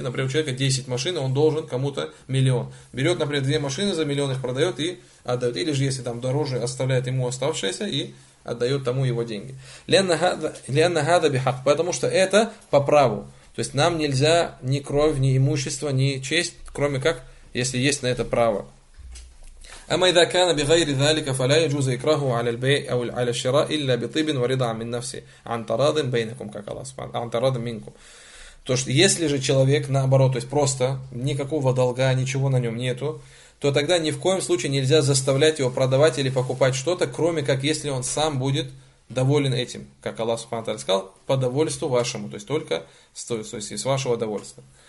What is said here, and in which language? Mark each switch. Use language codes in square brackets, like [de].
[ru] Например, у человека 10 машин, он должен кому-то миллион. Берет, например, 2 машины за миллион, их продает и отдает. Или же, если там дороже, оставляет ему оставшееся и отдает тому его деньги. [ar] Лянна хада бихак. [ru] Потому что это по праву. То есть нам нельзя ни кровь, ни имущество, ни честь, кроме как, если есть на это право. [ar] أما إذا كان بغير ذلك فلا يجوز إكراهه على البيع أو على الشراء إلا بطيب ورضا من نفسه عن تراض بينكم [ru] как Аллах [ar] سبحانه عن تراض منكم. [ru] То что если же человек наоборот, то есть просто никакого долга, ничего на нем нету, то тогда ни в коем случае нельзя заставлять его продавать или покупать что-то, кроме как если он сам будет доволен этим, как Аллах Субханаху Тааля сказал, по довольству вашему, то есть только с вашего довольства.